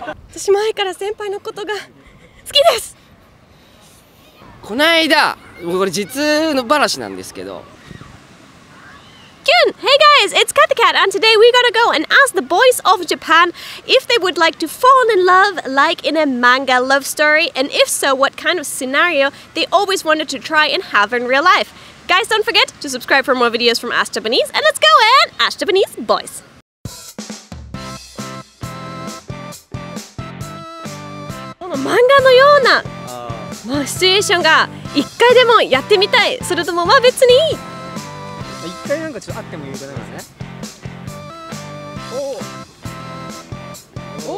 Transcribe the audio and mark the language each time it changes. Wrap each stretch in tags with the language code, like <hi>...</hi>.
<ja>私前から先輩のことが好きです。この間、これ実の話なんですけど、</ja> <en>キュン、Hey guys, it's Cat the Cat, and today we gotta go and ask the boys of Japan if they would like to fall in love like in a manga love story, and if so, what kind of scenario they always wanted to try and have in real life. Guys, don't forget to subscribe for more videos from Ask Japanese, and let's go and Ask Japanese boys!</en> <ja>漫画のようなシチュエーションが一回でもやってみたい、それともまあ別にいい、一回なんかちょっとあってもいいかな、ね、おお。</ja>